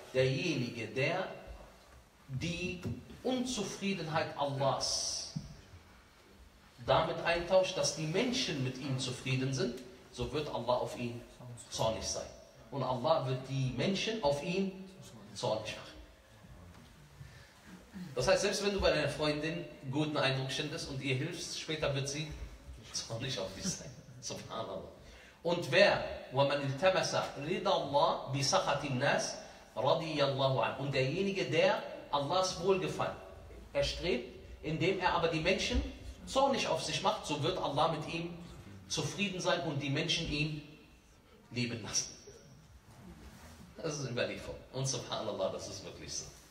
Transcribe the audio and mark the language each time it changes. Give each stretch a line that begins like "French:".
German: Derjenige, der die Unzufriedenheit Allahs damit eintauscht, dass die Menschen mit ihm zufrieden sind, so wird Allah auf ihn zornig sein. Und Allah wird die Menschen auf ihn zornig machen. Das heißt, selbst wenn du bei deiner Freundin guten Eindruck schindest und ihr hilfst, später wird sie zornig auf dich sein. Subhanallah.
Arabic: Und wer, وَمَنْ اِلْتَمَسَ رِضَ اللَّهِ بِسَخَةِ النَّاسِ رَضِيَ اللَّهُ عَنْهُ.
German: Und derjenige, der Allahs Wohlgefallen erstrebt, indem er aber die Menschen zornig auf sich macht, so wird Allah mit ihm zufrieden sein und die Menschen ihn lieben lassen. Das ist Überlieferung. Und subhanallah, das ist wirklich so.